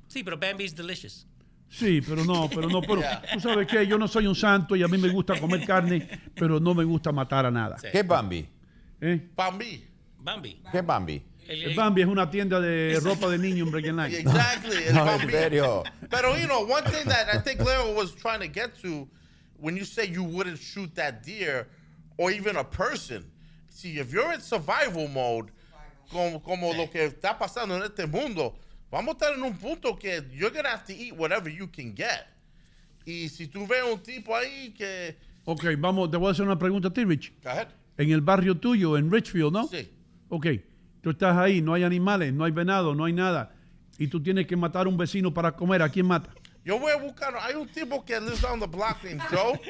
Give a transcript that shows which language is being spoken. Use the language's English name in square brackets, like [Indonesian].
[Spanish] Sí, pero Bambi [English] is delicious. [Spanish] Sí, pero no. Pero yeah. Tú sabes qué, yo no soy un santo y a mí me gusta comer carne, pero no me gusta matar a nada. Sí. ¿Qué Bambi? Bambi. ¿Qué Bambi? El Bambi es una tienda de ropa de niño en Breaking Line. [English] Exactly. [Spanish] No, en serio. [English] Pero, you know, one thing that I think Leo was trying to get to, when you say you wouldn't shoot that deer or even a person, see, if you're in survival mode, [Spanish] como lo que está pasando en este mundo, vamos a estar en un punto que [English] you're going to have to eat whatever you can get. [Spanish] Y si tú ves un tipo ahí que... Ok, vamos, te voy a hacer una pregunta a ti, Rich. [English] Go ahead. [Spanish] En el barrio tuyo, en Richfield, ¿no? Sí. Ok, tú estás ahí, no hay animales, no hay venado, no hay nada. Y tú tienes que matar a un vecino para comer, ¿a quién mata? Yo voy a buscar, hay un tipo que [English] lives on the block named Joe.